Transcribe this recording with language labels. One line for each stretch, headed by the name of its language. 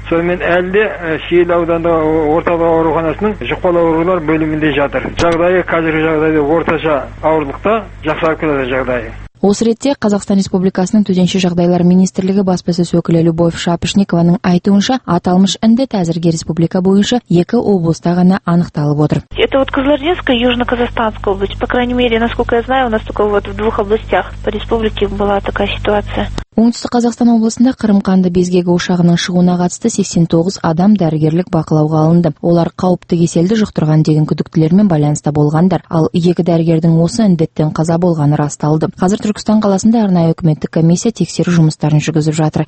Kazakh: Сонымен әлде Шиелі аудандық орталық ауруханасының жұқпалы аурулар бөлімінде жатыр. Жағдайы қазіргі жағдайда орташа ауырлықта, жақсарып келеді жағдайы. Осы ретте Қазақстан Республикасының төтенше жағдайлар министрлігі баспасөз өкілі Любовь Шапошникованың айтуынша, аталмыш індет әзірге республика бойынша 2 облыста ғана анықталып отыр.
Russian: Это вот Кызылординская, Южно-Казахстанская область. По крайней мере, насколько я знаю, у нас только вот в двух областях по республике была такая ситуация.
Kazakh: Оңтүстік Қазақстан облысында қырым қанды безгегі ошағының шығуына қатысты 89 адам дәрігерлік бақылауға алынды. Олар қауіпті кеселді жұқтырған деген күдіктілермен байланыста болғандар, ал екі дәрігердің осы індеттен қаза болғаны расталды. Қазір Түркістан қаласында арнайы үкіметтік комиссия тексеру жұмыстарын жүргізіп жатыр.